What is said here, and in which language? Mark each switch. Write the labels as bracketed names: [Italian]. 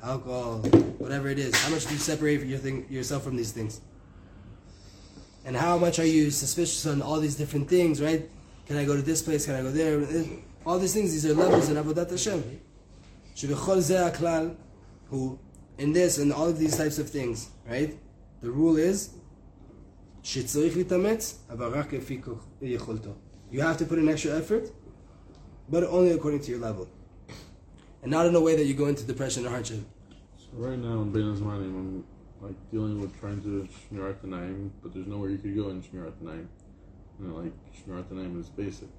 [English] Alcohol, whatever it is. How much do you separate yourself from these things? And how much are you suspicious on all these different things, right? Can I go to this place? Can I go there? All these things, these are levels in avodat Hashem. [Hebrew] שבכל זה הכלל הוא, [English] in this and all of these types of things, right? The rule is, [Hebrew] שצריך להתאמץ, אבל רק לפי יכולתו. [English] You have to put in extra effort, but only according to your level. And not in a way that you go into depression or hardship. So right now, in Bein Hazmanim, I'm like dealing with trying to Shmirat Tanaim, but there's nowhere you could go in Shmirat Tanaim. You know, like, Shmirat Tanaim is basic.